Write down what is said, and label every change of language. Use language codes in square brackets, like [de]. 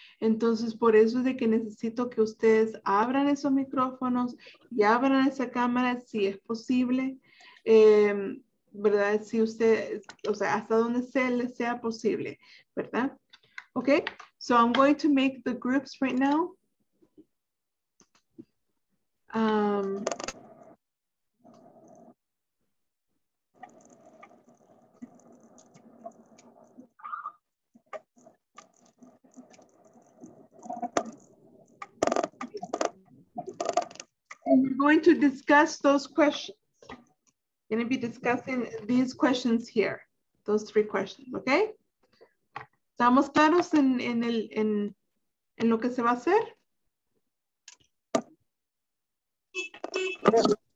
[es] Entonces, por eso es de que necesito que ustedes abran esos micrófonos y abran esa cámara si es posible, ¿verdad? Si usted, o sea, hasta donde sea posible, ¿verdad? [en] Okay, so I'm going to make the groups right now. And we're going to discuss those questions. We're going to be discussing these questions here, those three questions, okay? [es] ¿Estamos claros en lo que se va a hacer?